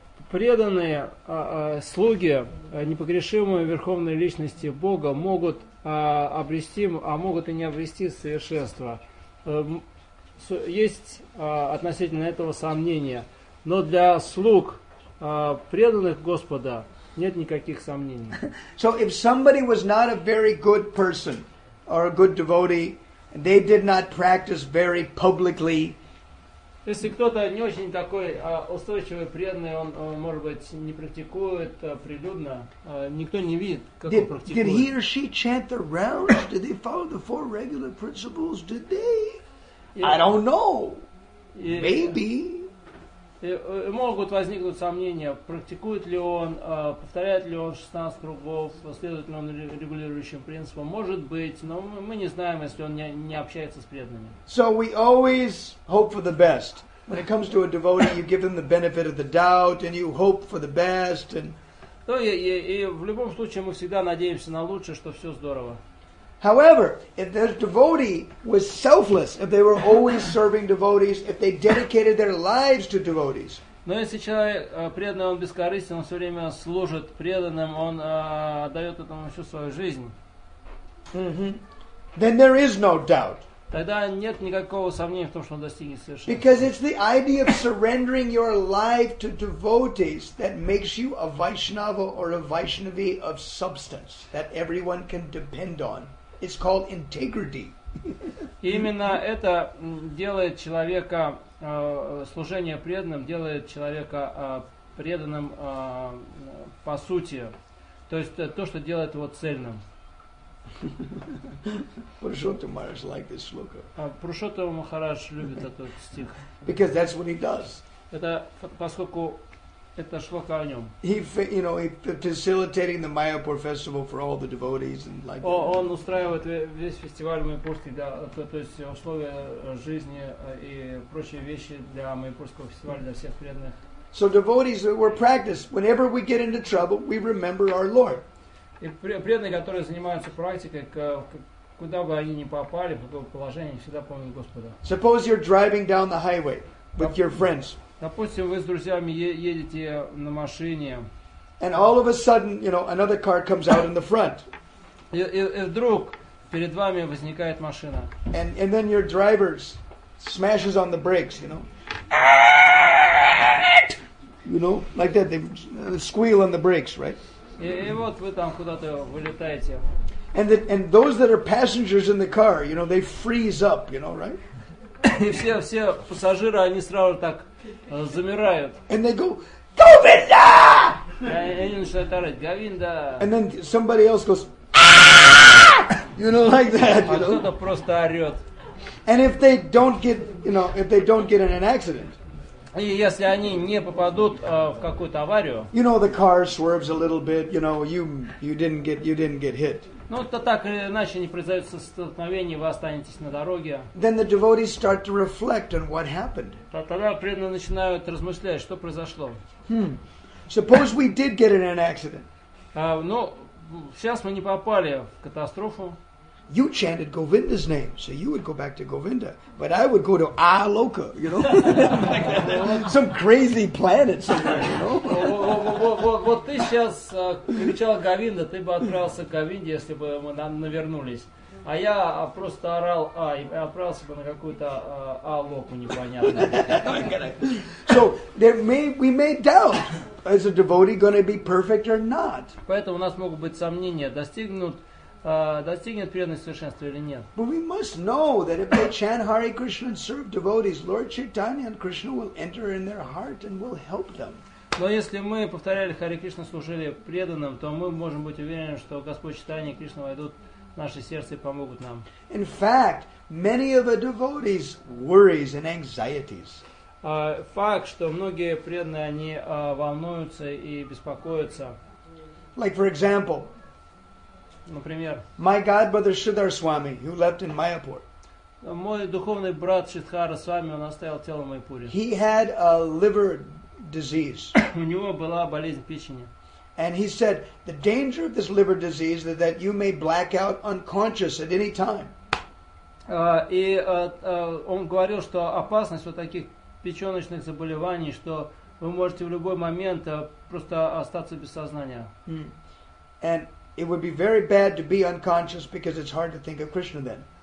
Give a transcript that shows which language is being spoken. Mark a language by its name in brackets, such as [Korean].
[Russian] Преданные слуги непогрешимой верховной личности Бога могут обрести, а могут и не обрести совершенство. Есть относительно этого сомнения, но для слуг преданных Господа нет никаких сомнений. [English] So if somebody was not a very good person or a good devotee, they did not practice very publicly. [Russian] Если кто-то не очень такой устойчивый преданный, он может быть не практикует прилюдно, никто не видит, как он практикует. [English] Did he or she chant the rounds? Did they follow the four regular principles? Did they? I don't know. Maybe. [Russian] Могут возникнуть сомнения, практикует ли он, повторяет ли он 16 кругов, следует ли он регулирующим принципам. Может быть, но мы не знаем, если он не общается с преданными. [English] So we always hope for the best. When it comes to a devotee, you give them the benefit of the doubt, and you hope for the best. [Russian] И в любом случае мы всегда надеемся на лучшее, что все здорово. [English] However, if the devotee was selfless, if they were always serving devotees, if they dedicated their lives to devotees. [Russian] Но если человек преданный, он бескорыстен, он все время служит преданным, он отдает этому всю свою жизнь. [English] Then there is no doubt. [Russian] Тогда нет никакого сомнения в том, что он достигнет совершенства. [English] Because it's the idea of surrendering your life to devotees that makes you a Vaishnava or a Vaishnavi of substance that everyone can depend on. It's called integrity. [Russian] Именно это делает человека служение преданным, делает человека преданным по сути. То есть то, что делает его цельным. [English] Пуршотта Махарадж like this shloka. [Russian] Пуршотта Махарадж любит этот стих. [English] Because that's what he does. [Russian] Это поскольку это шлока о нем. [English] He, you know, he facilitating the Mayapur festival for all the devotees and like. [Russian] Он устраивает весь фестиваль Майпурский для, то есть условия жизни и прочие вещи для Майпурского фестиваля для всех преданных. [English] So devotees were practiced. Whenever we get into trouble, we remember our Lord. [Russian] И преданные, которые занимаются практикой, куда бы они ни попали, в какое положение, всегда помнят Господа. [English] Suppose you're driving down the highway with your friends. [Russian] Допустим, вы с друзьями едете на машине. [English] And all of a sudden, you know, another car comes out in the front. [Russian] И вдруг перед вами возникает машина. [English] And then your driver smashes on the brakes, you know. You know, like that, they squeal on the brakes, right? [Russian] И вот вы там куда-то вылетаете. [English] And those that are passengers in the car, you know, they freeze up, you know, right? [Russian] И все пассажиры, они сразу так замирают. [English] And they go, Govinda! [Russian] Они начинают орать, Говинда! [English] And then somebody else goes, you know, like that, you know? [Russian] А кто-то просто орет. [English] And if they don't get, you know, if they don't get in an accident, [Russian] и если они не попадут в какую-то аварию. [English] You know, the car swerves a little bit, you know, you didn't get hit. [Russian] Ну, то так или иначе не произойдет столкновение, вы останетесь на дороге. [English] Then the devotees start to reflect on what happened. [Russian] Тогда преданные начинают размышлять, что произошло. [English] Suppose we did get in an accident. [Russian] Ну, сейчас мы не попали в катастрофу. [English] You chanted Govinda's name, so you would go back to Govinda. But I would go to Aloka, you know? Some crazy planet somewhere, you know? [Russian] Вот ты сейчас кричал Говинда, ты бы отправился к Говинде, если бы мы навернулись. А я просто орал А, и отправился бы на какую-то Алоку непонятную. [English] So, we may doubt, is a devotee going to be perfect or not? [Russian] Поэтому у нас могут быть сомнения, достигнут достигнет преданность совершенства или нет. [English] But we must know that if they chant Hare Krishna and serve devotees, Lord Chaitanya and Krishna will enter in their heart and will help them. [Russian] Но если мы повторяли Харе Кришна, служили преданным, то мы можем быть уверены, что Господь Чайтанья и Кришна войдут в наше сердце и помогут нам. [English] In fact, many of the devotees' worries and anxieties. [Russian] Факт, что многие преданные, они волнуются и беспокоятся. [English] Like, for example, [Russian] например, [English] my godbrother Shridhar Swami, who left in Mayapur. [Russian] Мой духовный брат Шридхара Свами, он оставил тело в Майпуре. [English] He had a liver disease. [Russian] У него была болезнь печени. [English] And he said, the danger of this liver disease is that you may black out unconscious at any time. [Russian] Он говорил, что опасность вот таких печёночных заболеваний, что вы можете в любой момент просто остаться без сознания. Hmm. [English] And it would be very bad to be unconscious because it's hard to think of Krishna then.